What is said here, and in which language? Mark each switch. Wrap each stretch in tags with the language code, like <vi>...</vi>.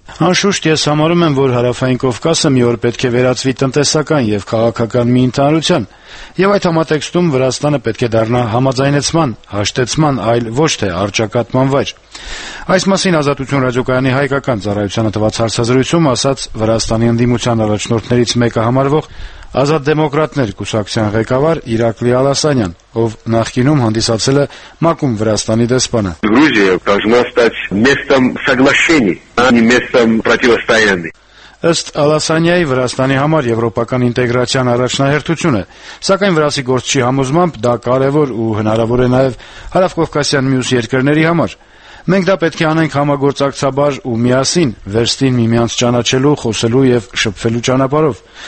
<hy>Անշուշտ ես համարում եմ, որ Հարավային Կովկասը մի օր պետք է վերածվի տնտեսական և քաղաքական մի ընդհանրության, և այդ համատեքստում Վրաստանը պետք է դառնա համաձայնեցման, հաշտեցման, այլ ոչ թե արճակատման վայր։ Այս մասին Ազատություն ռադիոկայանի հայկական ծառայությանը թված հարցազրույցում ասաց Վրաստանի ընդդիմության առաջնորդներից մեկը համարվող Ազատ դեմոկրատներ կուսակցության ղեկավար Իրակլի Ալասանյան, ով նախկինում հանդիսացել է Մաքուն Վրաստանի դեսպանը։</hy> <ru>Գրուզիա должна стать местом соглашений, а не местом противостояния։</ru> <hy>Ըստ Ալասանյայի, Վրաստանի համար եվրոպական ինտեգրացիան առաջնահերթություն է, սակայն վրացի գործչի համոզմամբ դա կարևոր ու հնարավոր է նաև հարավկովկասյան մյուս երկրների համար։ Մենք դա պետք է անենք համագործակցաբար ու միասին, վերստին միմյանց ճանաչելու, խոսելու և շփվելու ճանապարով։</hy>